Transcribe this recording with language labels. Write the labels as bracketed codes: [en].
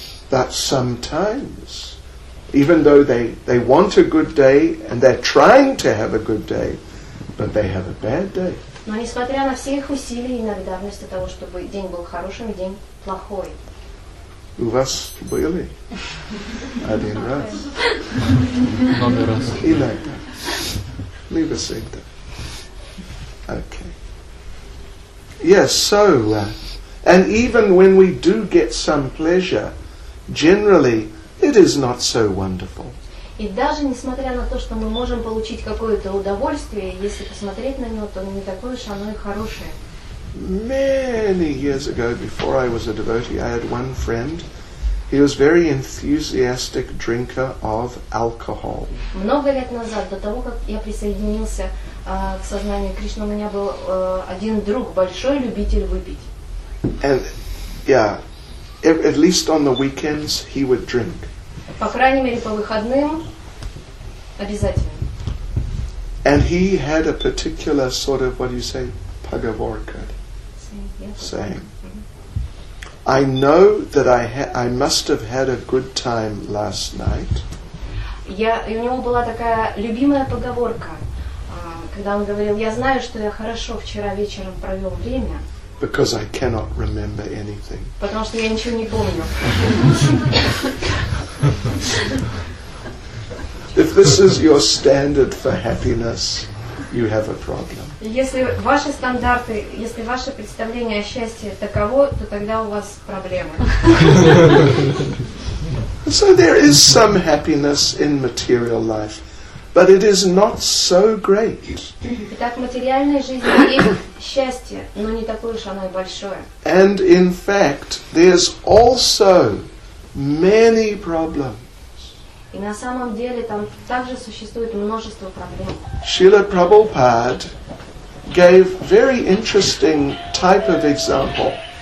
[en] But sometimes, even though they want a good day and they're trying to have a good day, but they have a bad day. [ru] Но несмотря на все их усилия, иногда вместо того, чтобы день был хорошим, день плохой. У вас были один раз? Много раз. Иногда. Не всегда. Okay. [en] Yes, so, and even when we do get some pleasure, generally, it is not so wonderful. [ru] И даже несмотря на то, что мы можем получить какое-то удовольствие, если посмотреть на него, то не такое уж оно и хорошее. [en] Many years ago, before I was a devotee, I had one friend. He was very enthusiastic drinker of alcohol. [ru] Много лет назад, до того как я присоединился к сознанию Кришны, у меня был один друг, большой любитель выпить. [en] And yeah, at least on the weekends he would drink. [ru] По крайней мере по выходным обязательно. [en] And he had a particular sort of what do you say, pagavorka. Saying, I know that I must have had a good time last night. [ru] У него была такая любимая поговорка, когда он говорил, я знаю, что я хорошо вчера вечером провел время. [en] Because I cannot remember anything. [ru] Потому что я ничего не помню. [en] If this is your standard for happiness, you have a problem. [ru] Если ваши стандарты, если ваше представление о счастье таково, то тогда у вас проблемы. [en] So there is some happiness in material life, but it is not so great. [ru] Итак, в материальной жизни есть счастье, но не такое уж оно и большое. [en] And in fact, there's also many problems. [ru] И на самом деле там также существует множество проблем. [en] Шрила Прабхупада gave very interesting type of example.